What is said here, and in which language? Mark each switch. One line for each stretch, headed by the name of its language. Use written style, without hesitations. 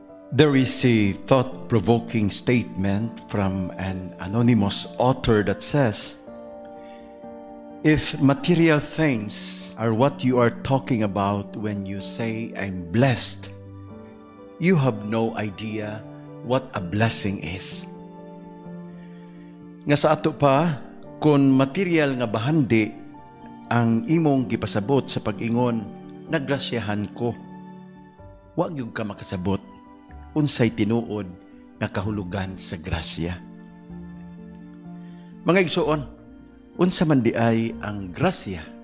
English: There is a thought-provoking statement from an anonymous author that says, if material things are what you are talking about when you say, I'm blessed, you have no idea what a blessing is.
Cebuano: Nga sa ato pa, kung material nga bahandi ang imong gipasabot sa pag-ingon, nagrasyahan ko, wag yung ka makasabot unsay tinuod nga kahulugan sa grasya. Mga igsoon, unsa man di ay ang grasya?